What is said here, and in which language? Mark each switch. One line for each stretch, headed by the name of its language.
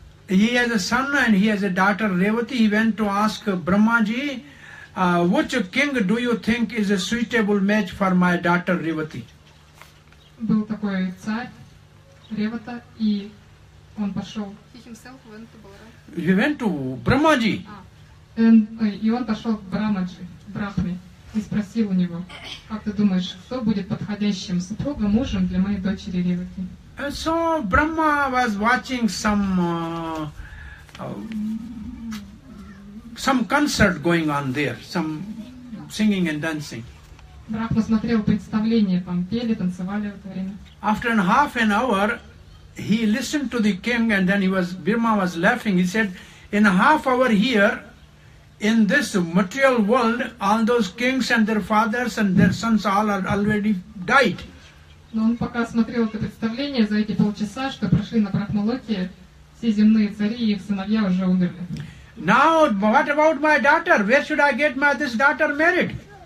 English: he has a son and he has a daughter, Revati. He went to ask Brahmaji, which king do you think is a suitable match for my daughter, Revati?
Russian: Был такой царь, Ревата, и он пошел...
English: He himself went to Balaram. He went to Brahmaji.
Russian: И он пошел к Брамаджи, Брахме, и спросил у него, как ты думаешь, кто будет подходящим супругом, мужем для моей дочери Ревати?
English: So Brahma was watching some concert going on there, some singing and dancing.
Russian: Брахма смотрел представление, там пели, танцевали в это время.
English: After half an hour, he listened to the king, and then Brahma was laughing. He said, in a half hour here, in this material world, all those kings and their fathers and their sons all are already died.
Russian: Но он пока смотрел это представление за эти полчаса, что прошли на Брахмалоке, все земные цари и их сыновья уже умерли.
English: Now, what about my daughter? Where should I get this daughter married?